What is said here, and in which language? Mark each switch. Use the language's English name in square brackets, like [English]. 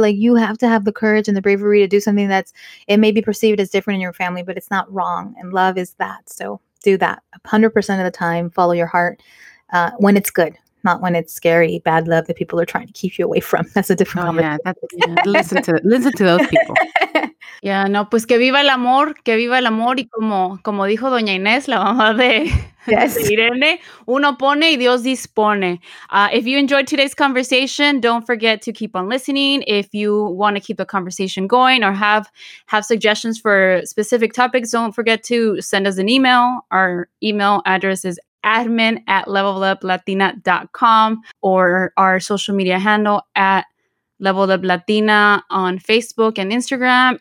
[English] Like, you have to have the courage and the bravery to do something that's, it may be perceived as different in your family, but it's not wrong. And love is that. So do that 100% of the time. Follow your heart when it's good, not when it's scary, bad love that people are trying to keep you away from. That's a different conversation. Yeah, listen to those people. [Spanish] Yeah, no, pues que viva el amor, y como dijo Doña Inés, la mamá de, de Irene, uno pone y Dios dispone. [English] If you enjoyed today's conversation, don't forget to keep on listening. If you want to keep the conversation going or have suggestions for specific topics, don't forget to send us an email. Our email address is admin@leveluplatina.com or our social media handle at Leveled Up Latina on Facebook and Instagram.